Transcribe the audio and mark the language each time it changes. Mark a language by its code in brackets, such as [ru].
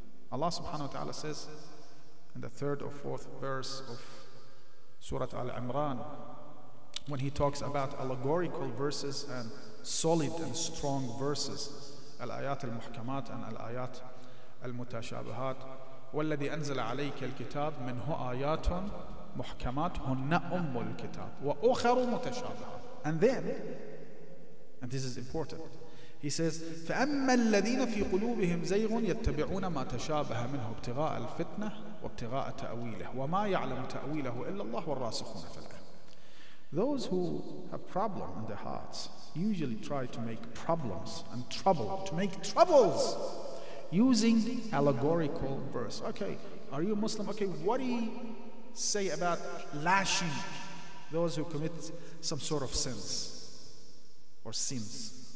[en] Allah subhanahu wa ta'ala says, in the third or fourth verse of Surah Al-Imran, when he talks about allegorical verses and solid and strong verses, Al-Ayat Al-Muhkamat and Al-Ayat Al-Mutashabahat, [ar] وَالَّذِي أَنزَلَ عَلَيْكَ الْكِتَابِ مِنْهُ آيَاتٌ مُحْكَمَاتٌ هُنَّ أُمُّ الْكِتَابِ وَأُخَرُ مُتَشَابَهَةٌ. [en] And then, and this is important, he says, [ar] فَأَمَّا الَّذِينَ فِي قُلُوبِهِمْ زَيْغٌ يَتَّبِعُونَ مَا تَشَابَهَ مِنْهُ ابْتِغَاءَ الْفِتْنَةِ وَابْتِغَاءَ تَأْوِيلِهِ وَمَا يَعْلَمُ تَأْوِيلَهُ إِلَّا اللَّهُ وَالرَّاسِخُونَ فِي الْعِلْمِ. [en] Those who have problem in their hearts usually try to make problems and trouble, to make troubles using allegorical verse. Okay, are you Muslim? Okay, what do you say about lashing those who commit some sort of sins or sins?